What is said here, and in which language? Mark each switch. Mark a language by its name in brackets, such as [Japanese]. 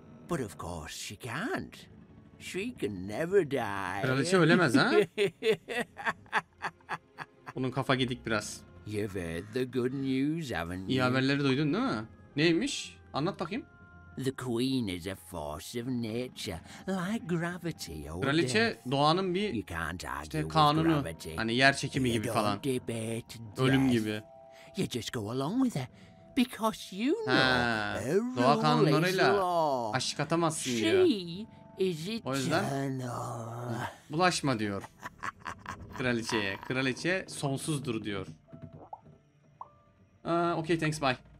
[English] But of course she can't. She can never die. [Turkish] Kraliçe ölemez ha? Bunun kafa gidik biraz. [English] You've heard the good news, haven't you? [Turkish] İyi haberleri duydun değil mi? Neymiş? Anlat bakayım. [English] The queen is a force of nature, like gravity. [Turkish] Kraliçe doğanın bir işte kanunu, hani yer çekimi gibi falan. Ölüm gibi. [English] You just go along with it because you know [Turkish] every doğa kanunlarıyla aşık atamazsın diyor. O yüzden bulaşma diyor kraliçeye. Kraliçe sonsuzdur diyor. [English] Okay, thanks, bye.